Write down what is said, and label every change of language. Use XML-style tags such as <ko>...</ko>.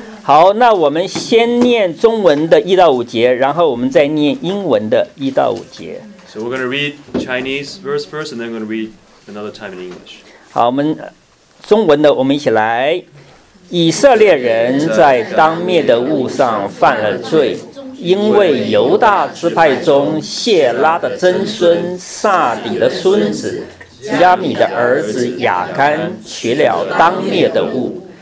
<zh>好，那我们先念中文的一到五节，然后我们再念英文的一到五节。</zh> <en>So we're going to read Chinese verse first, and then we're going to read another time in English.</en> <zh>好，我们中文的，我们一起来。以色列人在当灭的物上犯了罪，因为犹大支派中谢拉的曾孙撒底的孙子亚米的儿子亚干取了当灭的物。</zh>